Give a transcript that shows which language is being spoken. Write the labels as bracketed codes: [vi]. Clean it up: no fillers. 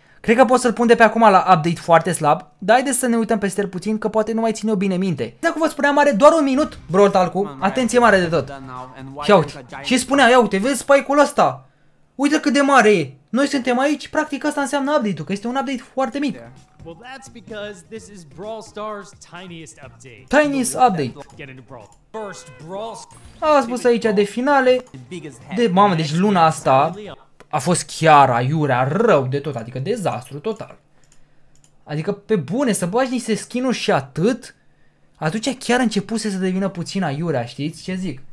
[ro] Cred că pot să-l pun de pe acum la update foarte slab, dar haideți să ne uităm peste el puțin, că poate nu mai țin eu bine minte. Dacă vă spuneam, are doar un minut, Brawl Talk-ul, atenție mare de tot. Și uite, și spunea, ia uite, vezi spike-ul ăsta? Uite cât de mare e. Noi suntem aici, practic asta înseamnă update-ul, că este un update foarte mic. [en] Well, that's because this is Brawl Stars' tiniest update. Tiniest update. First Brawl Stars. [ro] A spus aici de finale. De mamă, deci luna asta a fost chiar aiurea, rău de tot, adică dezastru total. Adică pe bune, să bagi niște skin-uri și atât. Atunci chiar începuse să devină puțin aiurea, știți ce zic?